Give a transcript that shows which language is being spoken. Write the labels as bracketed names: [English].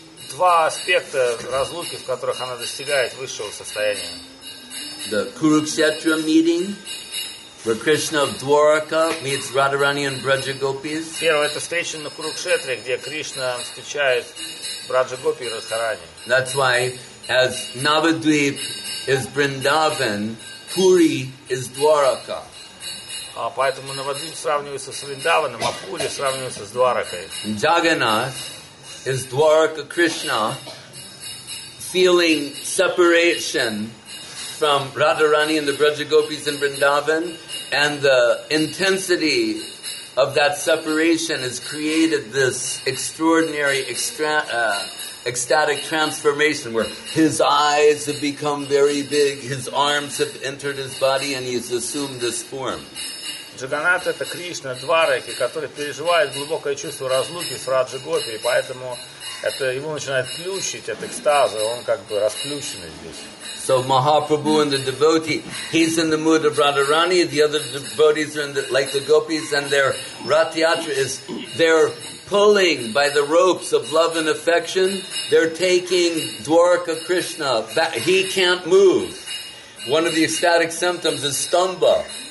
[Russian] Два аспекта разлуки, в которых она достигает высшего состояния. [English] The Kurukshetra meeting, where Krishna of Dwaraka meets Radharani and Brajagopis. [Russian] Первая это встреча на Курукшетре, где Кришна встречает Браджагопи и Радхарани. [English] That's why, as Navadvip is Vrindavan, Puri is Dwaraka. [Russian] Поэтому Навадвип сравнивается с Вриндаваном, а Пури сравнивается с Дваракой. [English] Jagannath is Dwaraka Krishna feeling separation from Radharani and the Brajagopis in Vrindavan, and the intensity of that separation has created this extraordinary ecstatic transformation where his eyes have become very big, his arms have entered his body, and he's assumed this form. [Russian] Джаганнат — это Кришна Двараки, который переживает глубокое чувство разлуки с Раджа-гопи, и поэтому это его начинает плющить от экстаза, он как бы расплющенный здесь. [English] So Mahaprabhu and the devotee, he's in the mood of Radharani, the other devotees are in the, like the gopis, and their Ratyatra is, they're pulling by the ropes of love and affection, they're taking Dwaraka Krishna back. He can't move. One of the ecstatic symptoms is stumbha.